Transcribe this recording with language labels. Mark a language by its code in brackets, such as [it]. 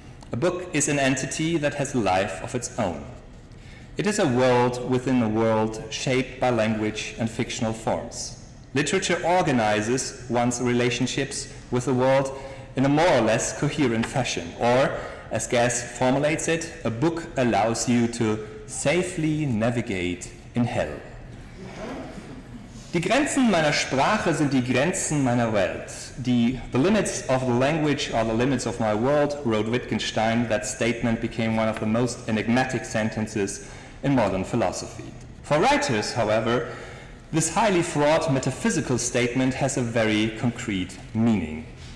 [en] A book is an entity that has a life of its own. It is a world within a world shaped by language and fictional forms. Literature organizes one's relationships with the world in a more or less coherent fashion, or, as Guest formulates it, a book allows you to safely navigate in hell. [de] Die Grenzen meiner Sprache sind die Grenzen meiner Welt. [en] The limits of the language are the limits of my world, wrote Wittgenstein. That statement became one of the most enigmatic sentences in modern philosophy. For writers, however, this highly fraught metaphysical statement has a very concrete meaning.